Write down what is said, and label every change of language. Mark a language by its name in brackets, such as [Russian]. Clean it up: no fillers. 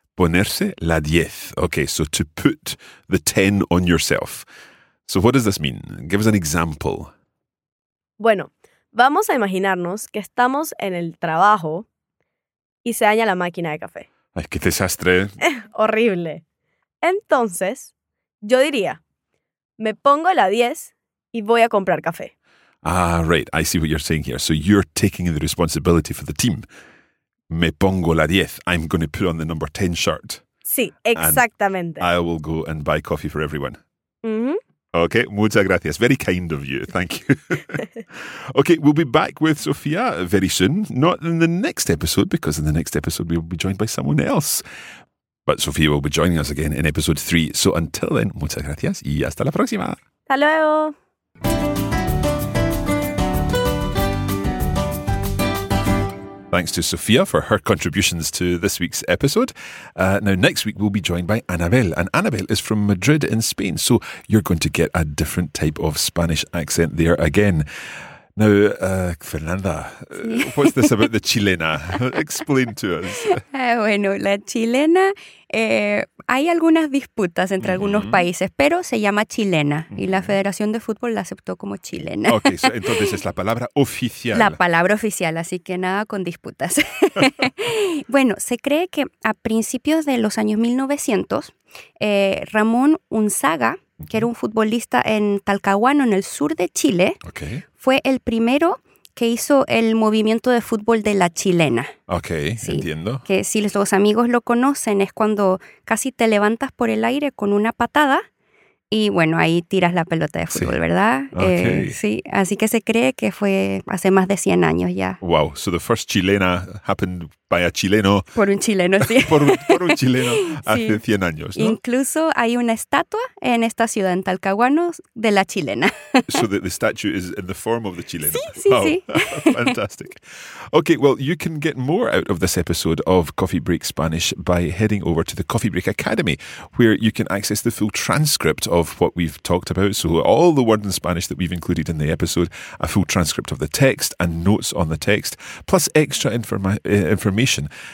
[Spanish] Ponerse la 10. [English] Okay, so to put the 10 on yourself. So what does this mean? Give us an example. [Spanish] Bueno, vamos a imaginarnos que estamos en el trabajo y se daña la máquina de café. Ay, qué desastre. Horrible. Entonces, yo diría, me pongo la 10 y voy a comprar café. [English] Ah, right. I see what you're saying here. So you're taking the responsibility for the team. [Spanish] Me pongo la 10. [English] I'm going to put on the number 10 shirt. [Spanish] Sí, exactamente. [English] And I will go and buy coffee for everyone. Mm-hmm. Okay, [Spanish] muchas gracias. [English] Very kind of you. Thank you. Okay, we'll be back with Sofía very soon. Not in the next episode, because in the next episode we'll be joined by someone else. But Sofía will be joining us again in episode 3. So until then, [Spanish] muchas gracias y hasta la próxima. Hasta luego. [English] Thanks to Sofía for her contributions to this week's episode. Now, next week, we'll be joined by Anabel. And Anabel is from Madrid in Spain. So you're going to get a different type of Spanish accent there again. Now, Fernanda, what's this about the chilena? Explain to us. [Spanish] Bueno, la chilena, hay algunas disputas entre algunos mm-hmm. países, pero se llama chilena mm-hmm. y la Federación de Fútbol la aceptó como chilena. Ok, so, entonces es la palabra oficial. La palabra oficial, así que nada con disputas. Bueno, se cree que a principios de los años 1900, Ramón Unzaga, que era un futbolista en Talcahuano, en el sur de Chile, [English] okay, [Spanish] fue el primero que hizo el movimiento de fútbol de la chilena. Ok, sí, entiendo. Que si los amigos lo conocen, es cuando casi te levantas por el aire con una patada y bueno, ahí tiras la pelota de fútbol, sí, ¿verdad? [English] Okay. [Spanish] Sí, así que se cree que fue hace más de 100 años ya. [English] Wow, so the first chilena happened by a chileno. [Spanish] Por un chileno, sí. por un chileno hace sí. 100 años, ¿no? Incluso hay una estatua en esta ciudad, en Talcahuano, de la chilena. [English] So the statue is in the form of the chilena. [Spanish] Sí, sí, [English] wow. [Spanish] Sí. [English] Fantastic. Okay, well, you can get more out of this episode of Coffee Break Spanish by heading over to the Coffee Break Academy, where you can access the full transcript of what we've talked about. So all the words in Spanish that we've included in the episode, a full transcript of the text and notes on the text, plus extra information animation.